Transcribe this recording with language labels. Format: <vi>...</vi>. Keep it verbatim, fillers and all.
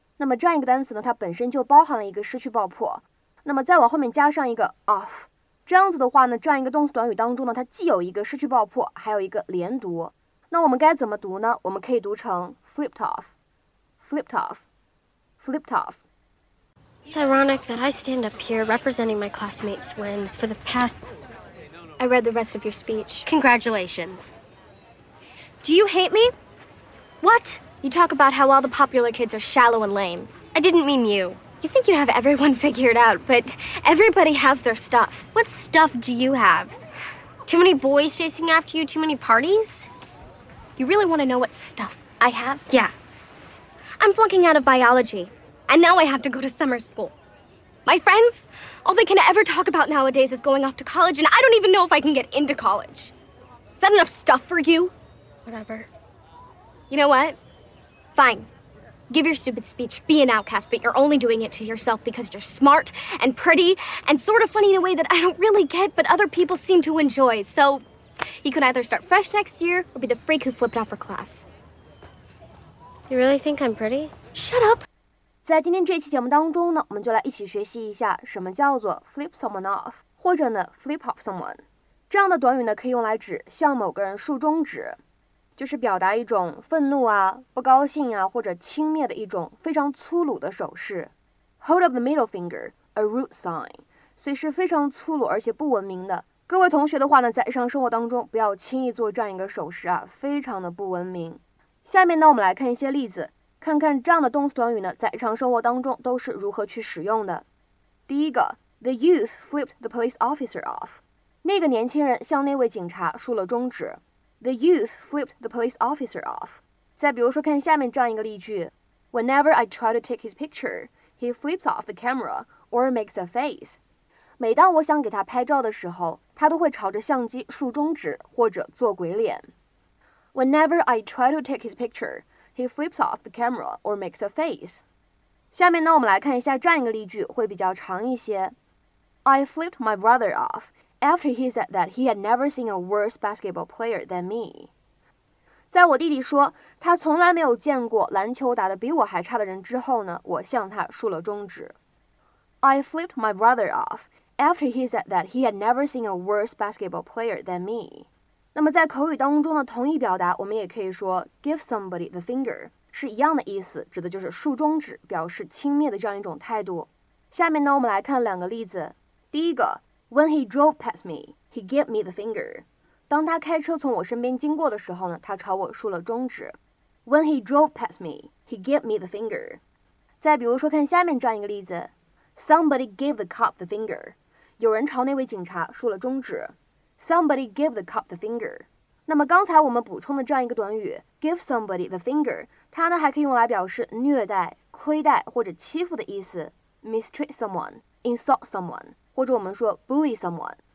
<zh>那么这样一个单词呢，它本身就包含了一个失去爆破，那么再往后面加上一个 off， 这样子的话呢，这样一个动词短语当中呢，它既有一个失去爆破，还有一个连读。那我们该怎么读呢？我们可以读成</zh> <en>flipped off, flipped off, flipped off。 It's ironic that I stand up here representing my classmates when, for the past, I read the rest of your speech. Congratulations. Do you hate me? What? You talk about how all the popular kids are shallow and lame. I didn't mean you. You think you have everyone figured out, but everybody has their stuff. What stuff do you have? Too many boys chasing after you? Too many parties? You really want to know what stuff I have? Yeah. I'm flunking out of biology, and now I have to go to summer school. My friends, all they can ever talk about nowadays is going off to college, and I don't even know if I can get into college. Is that enough stuff for you? Whatever. You know what? Fine. Give your stupid speech. Be an outcast, but you're only doing it to yourself because you're smart and pretty and sort of funny in a way that I don't really get, but other people seem to enjoy. So you could either start fresh next year or be the freak who flipped out for class. You really think I'm pretty? Shut up.</en> <zh>在今天这期节目当中呢，我们就来一起学习一下什么叫做</zh> <en>flip someone off，</en> <zh>或者呢</zh> <en>flip off someone。</en> <zh>这样的短语呢，可以用来指向某个人竖中指。就是表达一种愤怒啊、不高兴啊或者轻蔑的一种非常粗鲁的手势。</zh> <en>Hold up the middle finger, a rude sign，</en> <zh>所以是非常粗鲁而且不文明的。各位同学的话呢，在日常生活当中不要轻易做这样一个手势啊，非常的不文明。下面呢，我们来看一些例子，看看这样的动词短语呢，在日常生活当中都是如何去使用的。第一个 ，</zh> <en>The youth flipped the police officer off，</en> <zh>那个年轻人向那位警察竖了中指。</zh> <en>The youth flipped the police officer off.</en> <zh>再比如说看下面这样一个例句</zh> <en>Whenever I try to take his picture, he flips off the camera or makes a face.</en> <zh>每当我想给他拍照的时候，他都会朝着相机竖中指或者做鬼脸。</zh> <en>Whenever I try to take his picture, he flips off the camera or makes a face.</en> <zh>下面呢，我们来看一下这样一个例句，会比较长一些。</zh> <en>I flipped my brother off. After he said that he had never seen a worse basketball player than me.</en> <zh>在我弟弟说他从来没有见过篮球打得比我还差的人之后呢，我向他竖了中指。</zh> <en>I flipped my brother off after he said that he had never seen a worse basketball player than me.</en> <zh>那么在口语当中的同义表达，我们也可以说</zh> <en>give somebody the finger</en> <zh>是一样的意思，指的就是竖中指，表示轻蔑的这样一种态度。下面呢，我们来看两个例子。第一个</zh> <en>，When he drove past me, he gave me the finger。</en> <zh>当他开车从我身边经过的时候呢，他朝我竖了中指。</zh> <en>When he drove past me, he gave me the finger。</en> <zh>再比如说，看下面这样一个例子 ，</zh> <en>Somebody gave the cop the finger。</en> <zh>有人朝那位警察竖了中指。</zh> <en>Somebody gave the cop the finger。</en> <zh>那么刚才我们补充的这样一个短语</zh> <en>give somebody the finger，</en> <zh>它呢还可以用来表示虐待、亏待或者欺负的意思 ，</zh> <en>mistreat someone、 insult someone，</en> <zh>或者我们说</zh> <en>bully someone。</en>